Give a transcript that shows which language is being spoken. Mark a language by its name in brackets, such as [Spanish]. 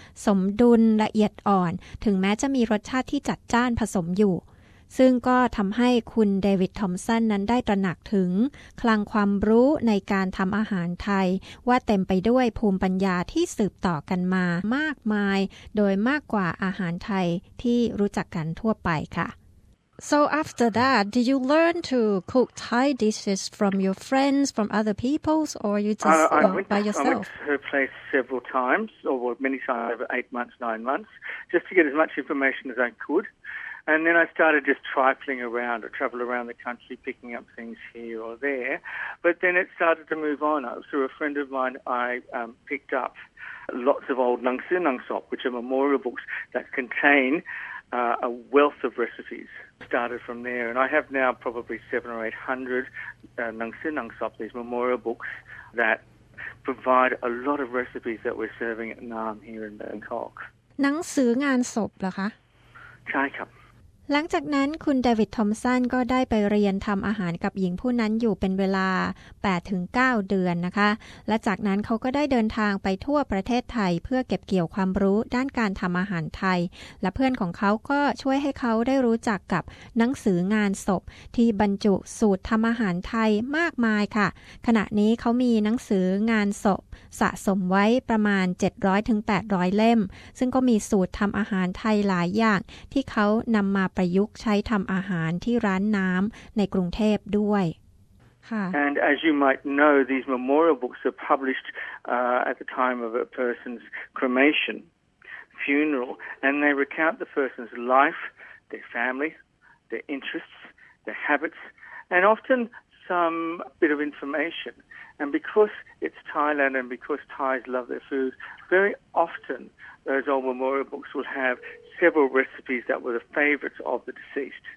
[Thai] สมดุลละเอียดอ่อนถึงแม้จะมีรสชาติที่จัดจ้านผสมอยู่ซึ่งก็ทำให้คุณเดวิดทอมสันนั้นได้ตระหนักถึงคลังความรู้ในการทำอาหารไทยว่าเต็มไปด้วยภูมิปัญญาที่สืบต่อกันมามากมายโดยมากกว่าอาหารไทยที่รู้จักกันทั่วไปค่ะ [English] So after that, did you learn to cook Thai dishes from your friends, from other people, or you just by yourself? I went to her place several times, over 8 months, 9 months, just to get as much information as I could. And then I started just trifling around, I travel around the country, picking up things here or there. But then it started to move on. Through a friend of mine, I picked up lots of old Nang Su Nang Sop, which are memorial books that contain a wealth of recipes. Started from there. And I have now probably 700 or 800 Nang Su Nang Sop, these memorial books that provide a lot of recipes that we're serving at Nam here in Bangkok. [Thai] Nang Su Ngan Sop, เหรอคะ ใช่ครับ หลังจากนั้นคุณเดวิดทอมสันก็ได้ไปเรียนทำอาหารกับหญิงผู้นั้นอยู่เป็นเวลา 8-9 เดือนนะคะและจากนั้นเขาก็ได้เดินทางไปทั่วประเทศไทยเพื่อเก็บเกี่ยวความรู้ด้านการทำอาหารไทย และเพื่อนของเขาก็ช่วยให้เขาได้รู้จักกับหนังสืองานศพที่บรรจุสูตรทำอาหารไทยมากมายค่ะขณะนี้เขามีหนังสืองานศพสะสมไว้ประมาณ 700-800 เล่มซึ่งก็มีสูตรทำอาหารไทยหลายอย่างที่เขานำมาประยุกต์ใช้ทำอาหารที่ร้านน้ำในกรุงเทพด้วยค่ะ [English] And as you might know these memorial books are published at the time of a person's cremation funeral and they recount the person's life their family their interests their habits and often some bit of information and because it's Thailand and because Thais love their food very often those old memorial books will haveseveral recipes that were the favorites of the deceased